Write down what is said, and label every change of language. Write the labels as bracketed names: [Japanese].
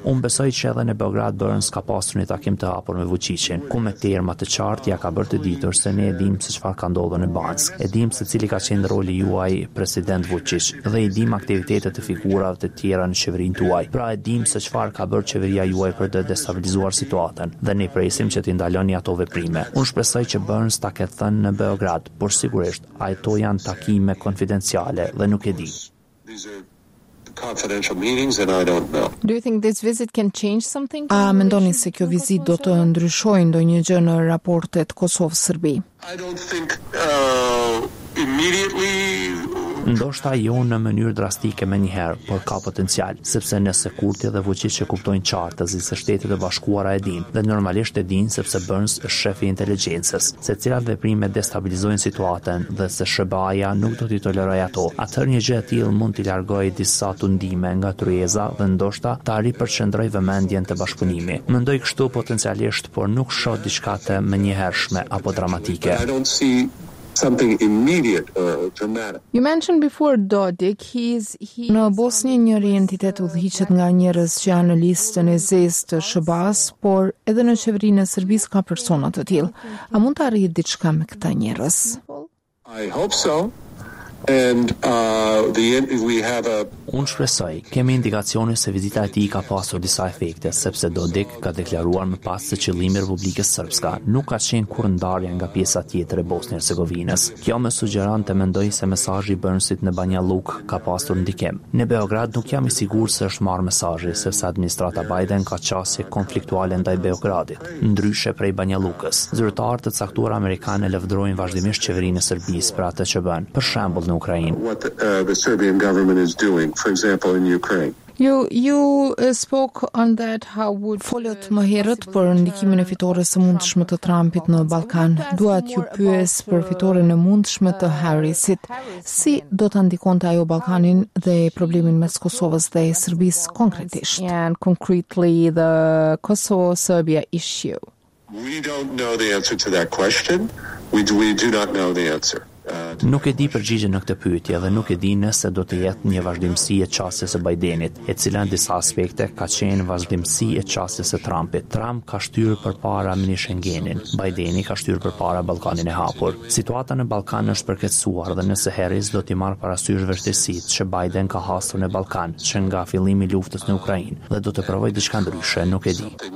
[Albanian] Unë besoj që edhe në Beograd Burns ka pasur një takim të hapur me Vučićin, ku me terma të qartë ja ka bërë të ditur se ne e dim se çfarë ka ndodhur në Bansk, e dim se cili ka qenë roli juaj president Vučić dhe i dim aktivitetet e figurave të tjera në qeverinë tuaj. Pra e dim se çfarë ka bërë qeveria juaj për të destabilizuar situatën dhe ne presim që t'i ndaloni ato veprime. Unë shpresoj që Burns ta ketë thënë në Beograd, por sigurisht ato janë takime konfidenciale dhe nuk e di. [English] Confidential meetings and I don't know. Do you think this visit can change something? [Albanian] A mendoni se kjo vizitë do të ndryshojë ndonjë gjë në raportet Kosovë-Serbi? [English] I don't think immediately. [Albanian] Ndoshta jo në mënyrë drastike me njëherë, por ka potencial, sepse nëse Kurti dhe Vučić e kuptojnë qartë se se Shtetet e Bashkuara e din, dhe normalisht e din sepse Burns është shefi inteligjencës, se cilat veprime destabilizojnë situatën dhe se Shëbaja nuk do t'i tolerojë ato, atëherë një gjë e tillë mund t'i largojë disa tundime nga tryeza dhe ndoshta ta ripërqendrojë vëmendjen te bashkëpunimi. Mendoj kështu potencialisht, por nuk shoh diçka të menjëhershme apo dramatike. [English] Something immediate dramatic. You mentioned before Dodik, he's [Albanian] në Bosnjë një entitet udhëhiqet nga njerëz që janë në listën e zezë të Shëbas, por edhe në qeverinë e Serbisë ka persona të tillë. A mund të arrijë diçka me këta njerëz? [English] I hope so. And we have a [Albanian] Unë shpresoj, kemi indikacione se vizita e tij ka pasur disa efekte, sepse Dodik ka deklaruar më pas se qëllimi i Republikës Srpska nuk ka qenë kur ndarja nga pjesa tjetër e Bosnjë-Hercegovinës. Kjo më sugjeron të mendoj se mesazhi i Burnsit në Banja Luk ka pasur ndikim. Në Beograd nuk jam i sigurt se është marrë mesazhi, sepse administrata Biden ka çështje konfliktuale ndaj Beogradit, ndryshe prej Banja Lukës. Zyrtarët e caktuar amerikanë lavdërojnë vazhdimisht qeverinë e Serbisë për atë që bën. Për shembull në Ukrainë. [English] The Serbian government is doing, for example, in Ukraine. You spoke on that how would [Albanian] folët më herët për ndikimin e fitores së mundshme të Trumpit në Ballkan. Dua t'ju pyes për fitoren e mundshme të Harrisit. Si do ta ndikonte ajo Ballkanin dhe problemin mes Kosovës dhe Serbisë konkretisht? [English] And concretely the Kosovo-Serbia issue. We don't know the answer to that question. We do not know the answer. [Albanian] Nuk e di përgjigjen në këtë pyetje dhe nuk e di nëse do të jetë një vazhdimsi e çastjes së Bidenit, e cila në disa aspekte ka qenë vazhdimsi e çastjes së Trumpit. Trump ka shtyrë përpara mini Schengenin, Bideni ka shtyrë përpara Ballkanin e hapur. Situata në Ballkan është përkeqësuar dhe nëse Harris do t'i marrë parasysh vështirësitë që Biden ka hasur në Ballkan që nga fillimi i luftës në Ukrainë dhe do të provojë diçka ndryshe, nuk e di.